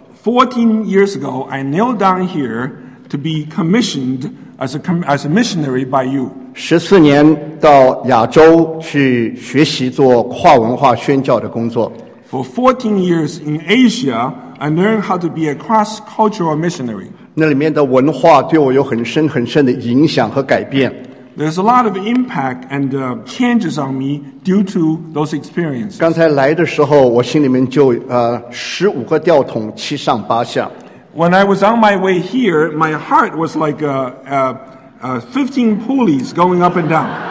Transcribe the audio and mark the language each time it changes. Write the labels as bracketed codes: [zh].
[en] 14 years ago, I knelt down here to be commissioned as a missionary by you. [zh] 14年到亚洲去学习做跨文化宣教的工作。 [en] For 14 years in Asia, I learned how to be a cross-cultural missionary. [zh] 那里面的文化对我有很深很深的影响和改变。 [en] There's a lot of impact and changes on me due to those experiences. [zh] 刚才来的时候,我心里面就 15个吊桶,七上八下。 [en] When I was on my way here, my heart was like a 15 pulleys going up and down.